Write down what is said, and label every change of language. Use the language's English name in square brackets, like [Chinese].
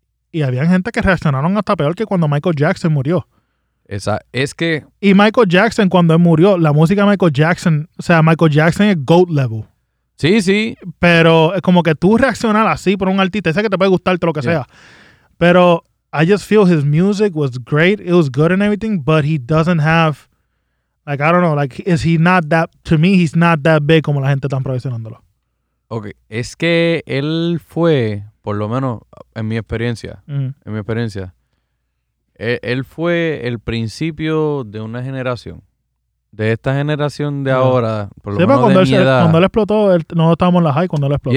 [Spanish] Y había gente que reaccionaron hasta peor que cuando Michael Jackson murió. Esa, es que... Y Michael Jackson, cuando él murió, la música de Michael Jackson, o sea, Michael Jackson es GOAT level. Sí, sí. Pero es como que tú reaccionar así por un artista, ese que te puede gustarte lo que sea. [English] Pero I just feel his music was great, it was good and everything, but he doesn't have, like, I don't know, like, is he not that, to me, he's not that big [Spanish] como la gente está proyectándolo. Ok, es que él fue, por lo menos en mi experiencia, en mi experiencia, él fue el principio de una generación. De esta generación de ahora, por lo menos cuando de él, mi edad. Cuando él explotó, él, no estábamos en la high cuando él explotó.